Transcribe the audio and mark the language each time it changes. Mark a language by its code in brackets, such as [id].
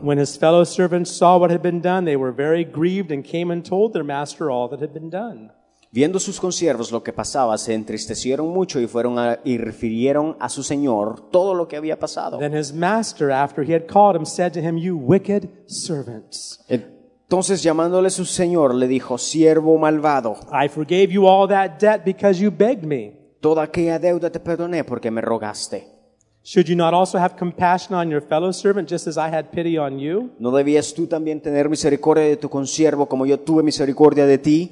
[en] When his fellow servants saw what had been done, they were very grieved and came and told their master all that had been done. [es] Viendo sus consiervos lo que pasaba, se entristecieron mucho y fueron a, y refirieron a su señor todo lo que había pasado. [en] Then his master, after he had called him, said to him, "You wicked servants." [es] Entonces, llamándole su señor, le dijo, siervo malvado, [en] I forgave you all that debt because you begged me. [es] Toda aquella deuda te perdoné porque me rogaste. [en] Should you not also have compassion on your fellow servant just as I had pity on you? [es] ¿No debías tú también tener misericordia de tu consiervo como yo tuve misericordia de ti?